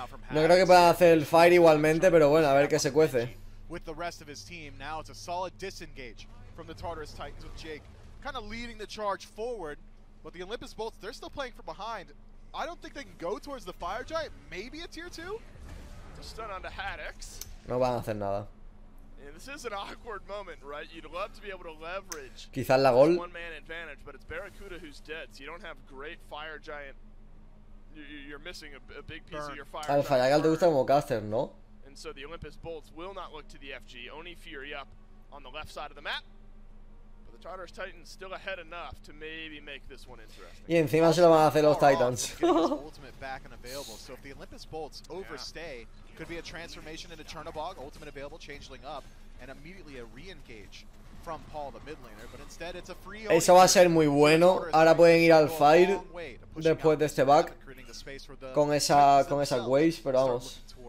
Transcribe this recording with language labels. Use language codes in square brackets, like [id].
[es] No creo que puedan hacer el Fire igualmente, pero bueno, a ver qué se cuece. [en] With the rest of his team. Now it's a solid disengage from the Tartarus Titans with Jake kind of leading the charge forward. But the Olympus Bolts, they're still playing from behind. I don't think they can go towards the Fire Giant. Maybe a tier 2? The stun onto Haddix. [es] No van a hacer nada. [en] Yeah, this is an awkward moment, right? You'd love to be able to leverage [es] quizás la gol. [en] One man advantage, but it's Barracuda who's dead, so you don't have great Fire Giant. You're missing a big piece burn of your Fire Giant. [es] Al Fayagal te gusta como caster, ¿no? [en] and so the Olympus Bolts will not look to the FG. Oni Fury up on the left side of the map. The Tartarus Titans still ahead enough to maybe make this one interesting. [es] Y encima se lo van a hacer los Titans. [en] Ultimate back and available. So if the Olympus Bolts overstay, could be a transformation into Chernabog, ultimate available, changeling up, and immediately a re-engage from Paul, the mid laner. But instead, it's a free. [es] Eso va a ser muy bueno. Ahora pueden ir al fire después de este back con esa wave, pero vamos.